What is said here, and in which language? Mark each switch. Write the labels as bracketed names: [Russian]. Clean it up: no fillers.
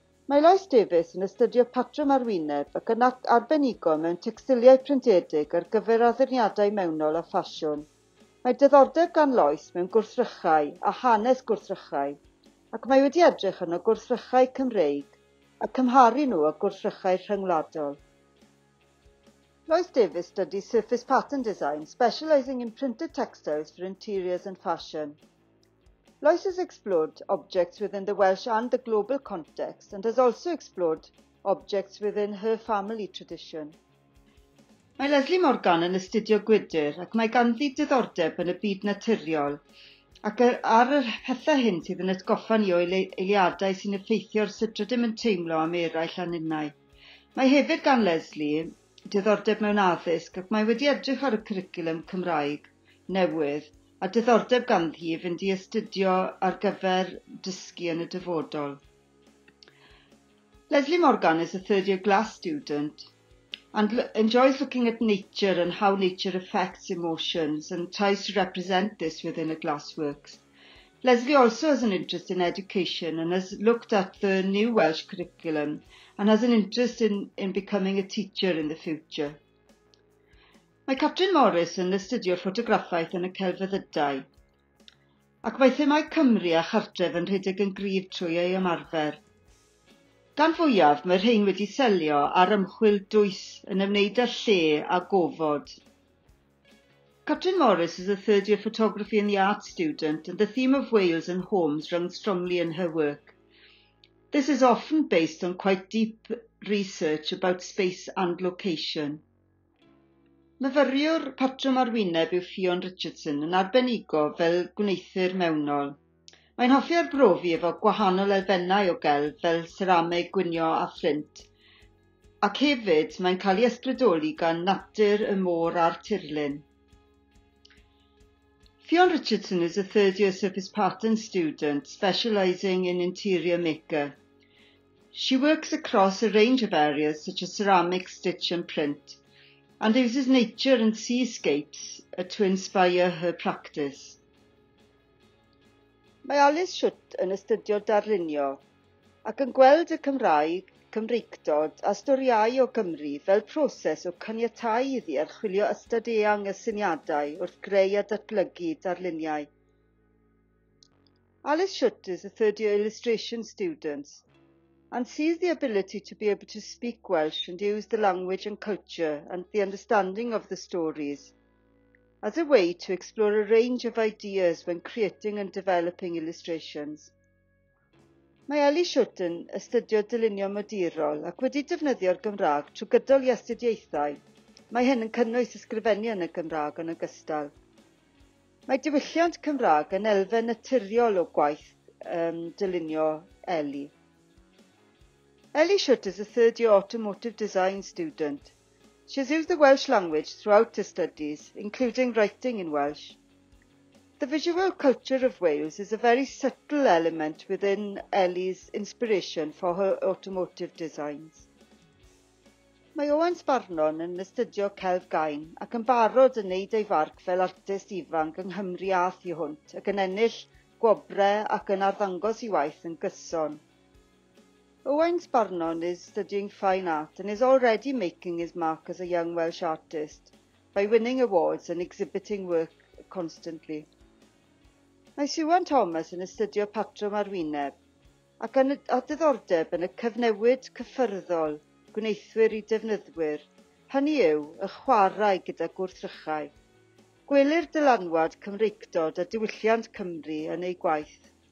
[Welsh] Mae Lois Davies yn astudio patrwm arwyneb ac yn arbenigo mewn textiliau prindedig ar gyfer addurniadau mewnol a ffasiwn. Mae diddordeb gan Lois mewn gwrthrychau a hanes gwrthrychau, ac mae wedi edrych yn y gwrthrychau Cymreig a cymharu nhw â gwrthrychau rhyngwladol. [English] Lois Davis studied surface pattern design, specialising in printed textiles for interiors and fashion. Lois has explored objects within the Welsh and the global context and has also explored objects within her family tradition. [Welsh] Mae Leslie Morgan yn astudio gwydr ac mae ganddi diddordeb yn y byd naturiol ac ar y pethau hyn sydd yn atgoffa ni o eiliadau sy'n effeithio'r sut rydym yn teimlo am eraill aninnau. Mae hefyd gan Leslie diddordeb mewn addysg ac mae wedi edrych ar y cwricwlwm Cymraeg newydd a diddordeb ganddi i fynd i astudio ar gyfer dysgu yn y dyfodol. [English] Leslie Morgan is a third year glass student and enjoys looking at nature and how nature affects emotions and tries to represent this within a glassworks. Leslie also has an interest in education and has looked at the new Welsh curriculum and has an interest in becoming a teacher in the future. [Welsh] Mae Catherine Morris yn astudio ffotograffaeth yn y celfyddydau ac mae themau Cymru a chartref yn rhedeg yn gryf trwy ei ymarfer. Gan fwyaf, mae'r rhain wedi selio ar ymchwil dwys yn ymwneud â lle a gofod. [English] Catherine Morris is a third year photography and the art student and the theme of Wales and homes runs strongly in her work. This is often based on quite deep research about space and location. [Welsh] Myfyriwr patrwm arwyneb yw Fion Richardson yn arbenigo fel gwneithur mewnol. Mae'n hoffi arbrofi efo gwahanol elfennau o gelf fel seramau, gwynio a phlint. Ac hefyd mae'n cael ei ysbrydoli gan natur y môr a'r tirlun. [English] Fion Richardson is a third year surface pattern student specialising in interior maker. She works across a range of areas such as ceramic, stitch and print and uses nature and seascapes to inspire her practice. [Welsh] Mae Alice Shutt yn astudio darlunio ac yn gweld y Cymraeg, Cymreictod a storiau o Gymru fel proses o caniatáu iddi archwilio ystod eang y syniadau wrth greu a datblygu darluniau. [English] Alice Shutt is a third year illustration student and sees the ability to be able to speak Welsh and use the language and culture and the understanding of the stories as a way to explore a range of ideas when creating and developing illustrations. [Welsh] Mae Ellie Shutt yn astudio dylunio modurol ac wedi defnyddio'r Gymraeg trwy gydol i astudiaethau. Mae hyn yn cynnwys ysgrifennu yn y Gymraeg yn ogystal. Mae diwylliant Cymraeg yn elfen naturiol o gwaith dylunio Ellie. [English] Ellie Shutt is a third year automotive design student. She's used the Welsh language throughout her studies, including writing in Welsh. The visual culture of Wales is a very subtle element within Ellie's inspiration for her automotive designs. [Welsh] Mae Owen Sbarnon yn astudio celf gain ac yn barod yn neud ei farc fel artist ifanc yng Nghymru a thu hwnt ac yn ennill gwobrau ac yn arddangos ei waith yn gyson. [English] Owen Sbarnon is studying fine art and is already making his mark as a young Welsh artist by winning awards and exhibiting work constantly. [Welsh] Mae Siwan Thomas yn astudio patrwm arwyneb ac yn adeddordeb yn y cyfnewid cyffyrddol gwneithwyr i defnyddwyr, hynny yw y chwarae gyda gwrthrychau. Gwelir dylanwad Cymreictod a diwylliant Cymru yn ei gwaith.